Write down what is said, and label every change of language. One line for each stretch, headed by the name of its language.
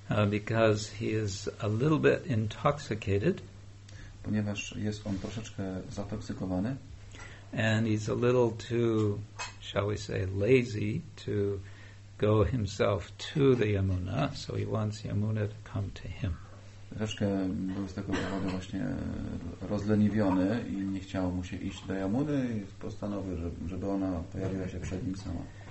English: Because he is a little bit intoxicated.
Polish: Ponieważ jest on troszeczkę zatoksykowany.
English: And he's a little too, shall we say, lazy to go himself to the Yamuna, so he wants Yamuna to come to him.
Polish: Troszkę był z tego powodu właśnie rozleniwiony i nie chciał mu się iść do Yamuny i postanowił, żeby ona pojawiła się przed nim sama.